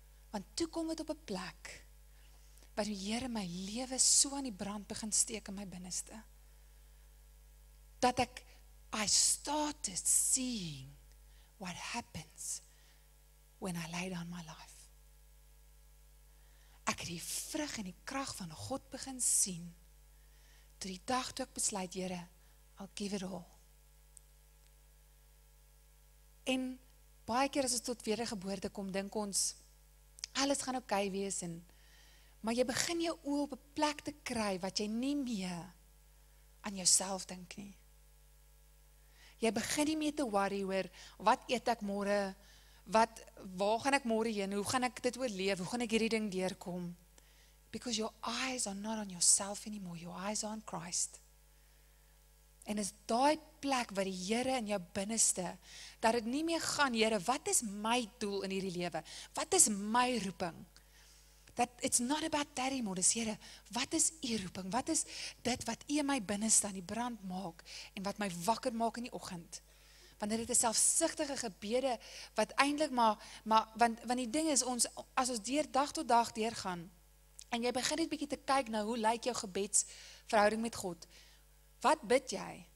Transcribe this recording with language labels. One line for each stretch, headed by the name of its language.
Afrikaans: Want toe kom dit op 'n plek, waar die Here my lewe so aan die brand begin steek in my binneste. Dat ek,
English: I started seeing what happens when I lay down my life.
Afrikaans: Ek het die vrug en die krag van God begin sien, toe die dag toe ek besluit, Here,
English: I'll give it all.
Afrikaans: En baie keer as ons tot wedergeboorte kom, dink ons, alles gaan okay wees, en, maar jy begin jou oë op 'n plek te kry, wat jy nie meer aan jouself dink nie. Jy begin nie meer te worry oor, wat eet ek môre, waar gaan ek môre heen, hoe gaan ek dit oorleef, hoe gaan ek hierdie ding deurkom?
English: Because your eyes are not on yourself anymore, your eyes are on Christ.
Afrikaans: En is daai plek waar die Here in jou binneste, dat het nie meer gaan, Here, wat is my doel in hierdie lewe? Wat is my roeping?
English: That it's not about that anymore,
Afrikaans: dis Here, wat is u roeping? Wat is dit wat u in my binneste aan die brand maak en wat my wakker maak in die oggend? Wanneer dit is selfsugtige gebede wat eindelijk maar want die ding is, ons, as ons deur dag tot dag deurgaan, en jy begin net bietjie te kyk na hoe lyk jou gebedsverhouding met God, wat bid jy?